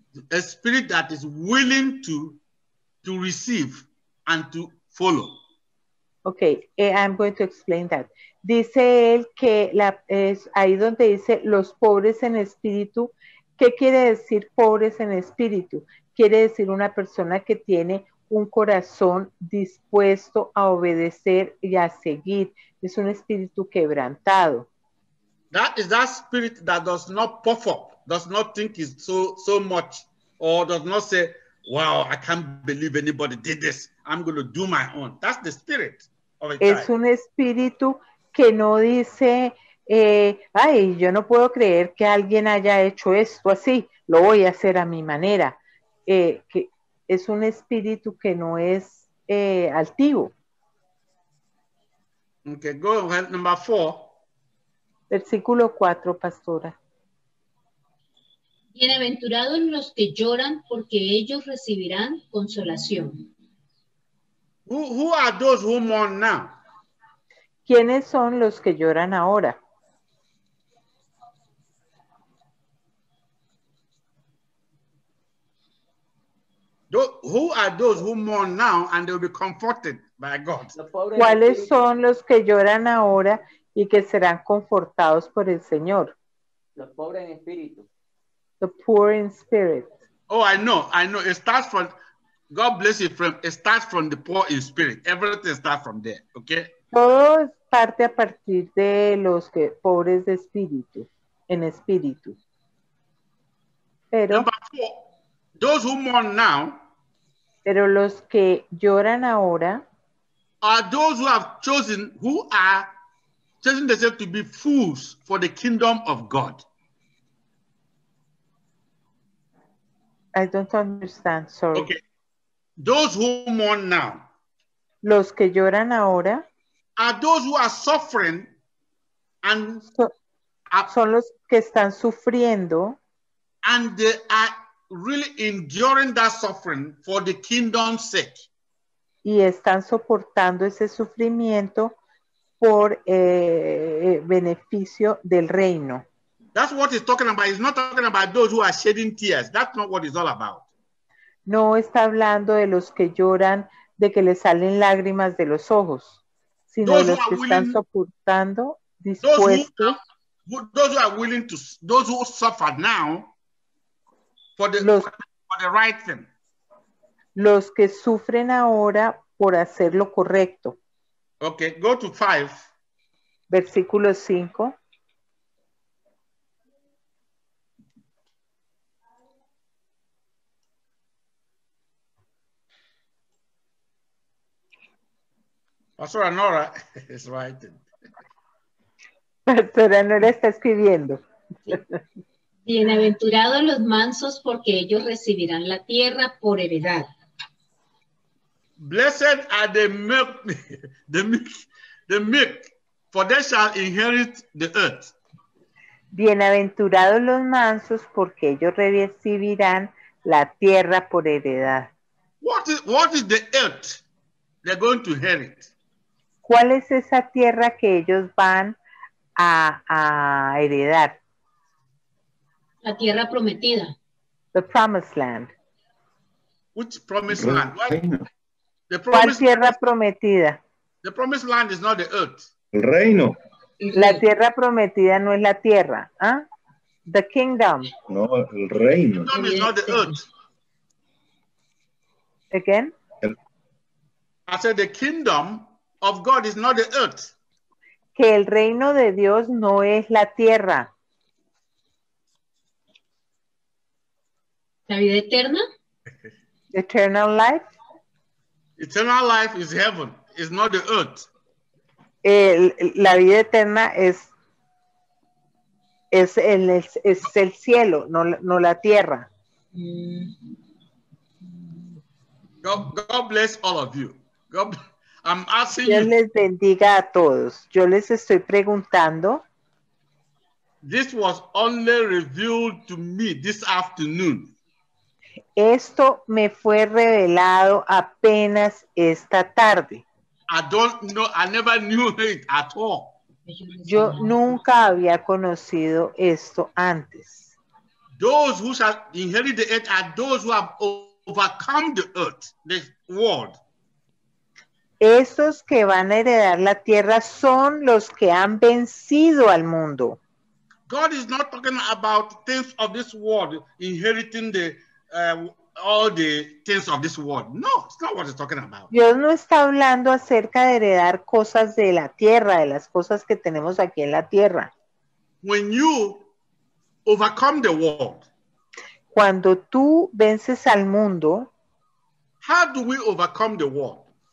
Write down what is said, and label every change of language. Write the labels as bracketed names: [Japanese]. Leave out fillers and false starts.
[English] A spirit that is willing to receive and to follow. Okay, I'm going to explain that. [Spanish] Dice él que ahí donde dice los pobres en espíritu, ¿qué quiere decir pobres en espíritu? Quiere decir una persona que tiene un corazón dispuesto a obedecer y a seguir. Es un espíritu quebrantado. [English] That is that spirit that does not puff up, does not think it's so much. Or does not say, wow, I can't believe anybody did this. I'm going to do my own. That's the spirit of a child. [Spanish] Es un espíritu que no dice, ay, yo no puedo creer que alguien haya hecho esto así. Lo voy a hacer a mi manera. Que es un espíritu que no es altivo. [English] Okay, go ahead, number 4. [Spanish] Versículo 4, Pastora. Bienaventurados los que lloran, porque ellos recibirán consolación. [English] Who are those who mourn now? [Spanish] ¿Quiénes son los que lloran ahora? [English] Who are those who mourn now and they will be comforted by God? [Spanish] ¿Cuáles son los que lloran ahora y que serán confortados por el Señor? Los pobres en espíritu. [English] The poor in spirit. Oh, I know. It starts from, God bless you, friend. It starts from the poor in spirit. Everything starts from there, okay? [Spanish] Todo parte a partir de los que pobres de espíritu, en espíritu. Pero, [English] number 4, those who mourn now, [Spanish] pero los que lloran ahora, [English] are those who have chosen, who are chosen themselves to be fools for the kingdom of God. I don't understand, sorry. Okay. Those who mourn now. [Spanish] Los que lloran ahora. [English] Are those who are suffering and [Spanish] son los que están sufriendo. [English] And they are really enduring that suffering for the kingdom's sake. [Spanish] y están soportando ese sufrimiento por beneficio del reino. [English] That's what he's talking about. He's not talking about those who are shedding tears. That's not what it's all about. [Spanish] No está hablando de los que lloran, de que les salen lágrimas de los ojos, sino de los que están soportando, dispuestos. [English] Those who are willing to, those who suffer now for the right thing. [Spanish] Los que sufren ahora por hacer lo correcto. [English] Okay, go to 5. [Spanish] Versículo 5. [English] Pastora Nora is writing. [Spanish] Pastora Nora está escribiendo. Bienaventurados los mansos, porque ellos recibirán la tierra por heredad. [English] Blessed are the meek, for they shall inherit the earth. [Spanish] Bienaventurados los mansos, porque ellos recibirán la tierra por heredad. [English] What is the earth they're going to inherit? [Spanish] ¿Cuál es esa tierra que ellos van a heredar? La tierra prometida. [English] The promised land. Which promised land? The promised, [Spanish] ¿cuál tierra prometida? [English] The promised land is not the earth. [Spanish] El reino. La tierra prometida no es la tierra. ¿Eh? [English] The kingdom. [Spanish] No, el reino. [English] The kingdom is not the earth. Again? I said the kingdom of God is not the earth. [Spanish] Que el reino de Dios no es la tierra. La vida eterna. [English] Eternal life. Eternal life is heaven. It's not the earth. [Spanish] La vida eterna es el cielo, no la tierra. [English] God bless all of you. [Spanish] Dios les bendiga a todos. Yo les estoy preguntando. [English] This was only revealed to me this afternoon. [Spanish] Esto me fue revelado apenas esta tarde. [English] I don't know. I never knew it at all. [Spanish] Yo nunca había conocido esto antes. [English] Those who shall inherit the earth are those who have overcome the earth, the world. [Spanish] Esos que van a heredar la tierra son los que han vencido al mundo. [English] God is not talking about things of this world, inheriting all the things of this world. No, it's not what he's talking about. [Spanish] Dios no está hablando acerca de heredar cosas de la tierra, de las cosas que tenemos aquí en la tierra. [English] When you overcome the world, [Spanish] cuando tú vences al mundo, [English] how do we overcome the world?